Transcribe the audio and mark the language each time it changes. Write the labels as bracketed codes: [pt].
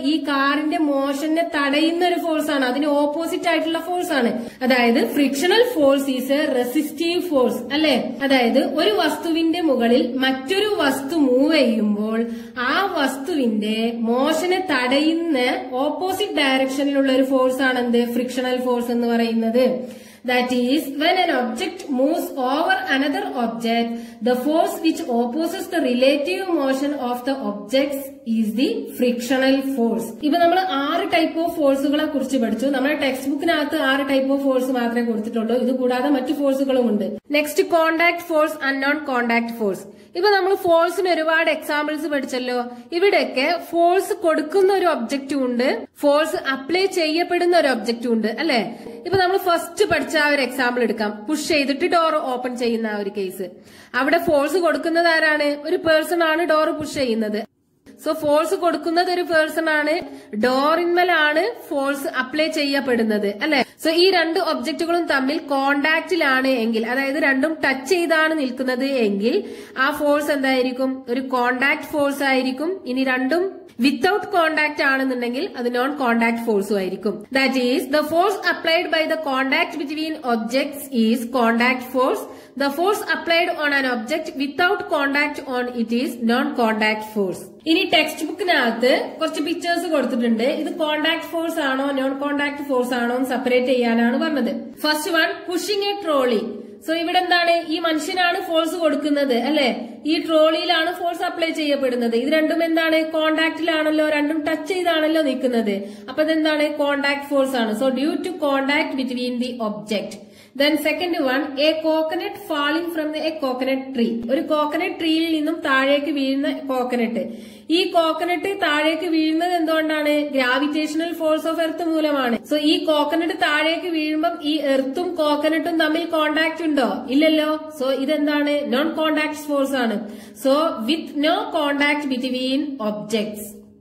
[ml] ഈ കാറിന്റെ മോഷനെ തടയുന്ന ഒരു ഫോഴ്സാണ്, അതിന് ഓപ്പോസിറ്റ് ആയിട്ടുള്ള ഫോഴ്സാണ്. [en] അതായത് frictional force is a resistive force അല്ലെ. [ml] അതായത് ഒരു വസ്തുവിന്റെ മുകളിൽ മറ്റൊരു വസ്തു മൂവ് ചെയ്യുമ്പോൾ ആ വസ്തുവിന്റെ മോഷനെ തടയുന്ന ഓപ്പോസിറ്റ് ഡയറക്ഷനിലുള്ള ഒരു ഫോഴ്സാണ് എന്ത്? ഫ്രിക്ഷണൽ ഫോഴ്സ് എന്ന് പറയുന്നത്. [en] That is, when an object moves over another object, the force which opposes the relative motion of the objects is the frictional force. [ml] ഇപ്പൊ നമ്മൾ ആറ് ടൈപ്പ് ഓഫ് ഫോഴ്സുകളെ കുറിച്ച് പഠിച്ചു. നമ്മുടെ ടെക്സ്റ്റ് ബുക്കിനകത്ത് ആറ് ടൈപ്പ് ഓഫ് ഫോഴ്സ് മാത്രമേ കൊടുത്തിട്ടുള്ളൂ. ഇത് കൂടാതെ മറ്റു ഫോഴ്സുകളും ഉണ്ട്. Next, contact force, unknown contact force. ഇപ്പൊ നമ്മൾ ഫോഴ്സിന് ഒരുപാട് എക്സാമ്പിൾസ് പഠിച്ചല്ലോ. ഇവിടെയൊക്കെ ഫോഴ്സ് കൊടുക്കുന്ന ഒരു ഒബ്ജക്റ്റും ഉണ്ട്, ഫോഴ്സ് അപ്ലൈ ചെയ്യപ്പെടുന്ന ഒരു ഒബ്ജക്റ്റും ഉണ്ട് അല്ലെ. ഇപ്പൊ നമ്മൾ ഫസ്റ്റ് പഠിച്ച ഒരു എക്സാമ്പിൾ എടുക്കാം, പുഷ് ചെയ്തിട്ട് ഡോർ ഓപ്പൺ ചെയ്യുന്ന ആ ഒരു കേസ്. അവിടെ ഫോഴ്സ് കൊടുക്കുന്നത് ആരാണ്? ഒരു പേഴ്സൺ ആണ് ഡോർ പുഷ് ചെയ്യുന്നത്. സോ ഫോഴ്സ് കൊടുക്കുന്നത് ഒരു പേഴ്സൺ ആണ്, ഡോറിന്മേലാണ് ഫോഴ്സ് അപ്ലൈ ചെയ്യപ്പെടുന്നത് അല്ലെ. സോ ഈ രണ്ട് ഒബ്ജക്റ്റുകളും തമ്മിൽ കോണ്ടാക്ടിലാണ് എങ്കിൽ, അതായത് രണ്ടും ടച്ച് ചെയ്താണ് നിൽക്കുന്നത് എങ്കിൽ, ആ ഫോഴ്സ് എന്തായിരിക്കും? ഒരു കോണ്ടാക്ട് ഫോഴ്സ് ആയിരിക്കും. ഇനി രണ്ടും വിത്തൌട്ട് കോണ്ടാക്ട് ആണെന്നുണ്ടെങ്കിൽ അത് നോൺ കോണ്ടാക്ട് ഫോഴ്സും ആയിരിക്കും. [en] That is the force applied by the contact between objects is contact force. The force applied on an object without contact on it is non-contact force. [ml] ഇനി text ബുക്കിനകത്ത് കുറച്ച് pictures കൊടുത്തിട്ടുണ്ട്. ഇത് contact force ആണോ non contact force ആണോ എന്ന് separate ചെയ്യാനാണ് പറഞ്ഞത്. [en] First one, pushing a trolley. [ml] So ഇവിടെ എന്താണ്? ഈ മനുഷ്യനാണ് ഫോഴ്സ് കൊടുക്കുന്നത് അല്ലെ. ഈ ട്രോളിയിലാണ് ഫോഴ്സ് അപ്ലൈ ചെയ്യപ്പെടുന്നത്. ഇത് രണ്ടും എന്താണ്? കോണ്ടാക്ടിലാണല്ലോ, രണ്ടും ടച്ച് ചെയ്താണല്ലോ നിൽക്കുന്നത്. അപ്പൊ ഇതെന്താണ്? [en] Contact force ആണ്. So due to contact between the object. Then second one, a coconut falling from a coconut tree. [ml] ഒരു കോക്കനട്ട് ട്രീയിൽ നിന്നും താഴേക്ക് വീഴുന്ന കോക്കനട്ട്. ഈ കോക്കനട്ട് താഴേക്ക് വീഴുന്നത് എന്തുകൊണ്ടാണ്? ഗ്രാവിറ്റേഷണൽ ഫോഴ്സ് ഓഫ് എർത്ത് മൂലമാണ്. സോ ഈ കോക്കനട്ട് താഴേക്ക് വീഴുമ്പം ഈ എർത്തും കോക്കനട്ടും തമ്മിൽ കോണ്ടാക്ട് ഉണ്ടോ? ഇല്ലല്ലോ. സോ ഇതെന്താണ്? [en] Non contact force ആണ്. So with no contact between objects.